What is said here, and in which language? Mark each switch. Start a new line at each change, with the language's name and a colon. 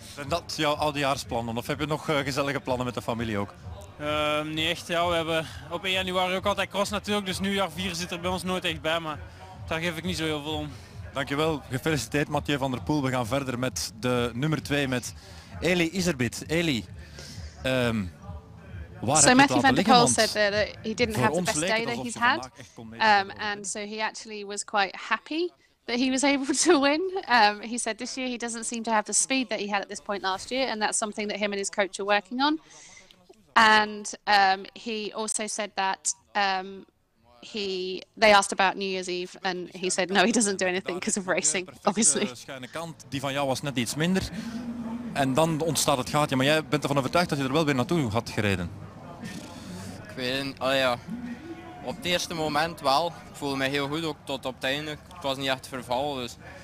Dutch: Zijn dat jouw oudejaarsplannen of heb je nog gezellige plannen met de familie ook? Niet echt, ja. We hebben op 1 januari ook altijd cross natuurlijk, dus nieuwjaar 4 zit er bij ons nooit echt bij, maar daar geef ik niet zo heel veel om. Dankjewel, gefeliciteerd Mathieu van der Poel. We gaan verder met de nummer 2, met Eli Iserbit. Eli,
English: So Mathieu van der Poel said that he didn't have the best day that he's had, and so he actually was quite happy that he was able to win. He said this year he doesn't seem to have the speed that he had at this point last year, and that's something that him and his coach are working on. And he also said that they asked about New Year's Eve, and he said no, he doesn't do anything because of racing, obviously.
Dutch: Schuine kant, die van jou was net iets minder, en dan ontstaat het gaatje. Maar jij bent ervan overtuigd dat je er wel weer naartoe had gereden. Ik weet het niet. Allee, ja. Op het eerste moment wel. Ik voelde me heel goed, ook tot op het einde. Het was niet echt vervallen, dus...